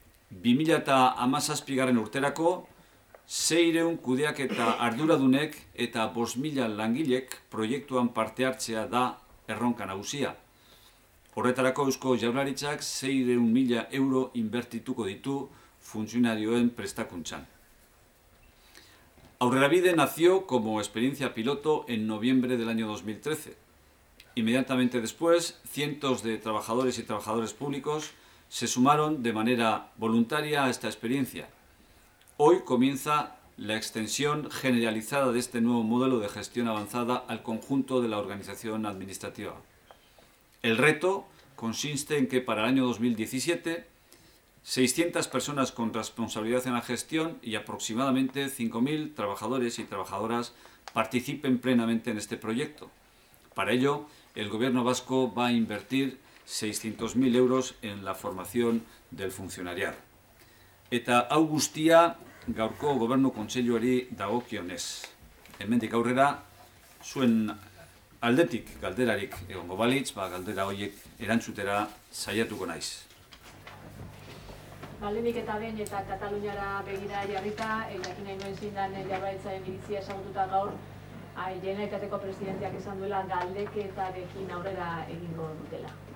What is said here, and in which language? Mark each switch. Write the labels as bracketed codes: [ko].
[eu] 2017 urterako, 600 kudeaketa arduradunek eta 5000 langilek proiektuan parte hartzea da erronka nagusia. Horretarako Eusko Jaurlaritzak 600.000 euro inbertituko ditu funtzionarioen prestakuntzan. [es] Aurrerabide nació como experiencia piloto en noviembre del año 2013. Inmediatamente después, cientos de trabajadores y trabajadores públicos se sumaron de manera voluntaria a esta experiencia. Hoy comienza la extensión generalizada de este nuevo modelo de gestión avanzada al conjunto de la organización administrativa. El reto consiste en que para el año 2017, 600 personas con responsabilidad en la gestión y aproximadamente 5.000 trabajadores y trabajadoras participen plenamente en este proyecto. Para ello, el Gobierno Vasco va a invertir 600.000 euros en la formación del funcionariado. [eu] Eta hau guztia gaurko gobernu kontseiluari dagokionez. Hemendik aurrera, zuen aldetik galderarik egongo balitz, ba, galdera horiek erantzutera saiatuko naiz. Lehenik eta behin eta Kataluniara begira jarrita, jakin nahi nuen zindan Jaurlaritzaren iritzia ezagututa gaur, Generalitateko presidenteak esan duela galdeketarekin aurrera egingo dutela.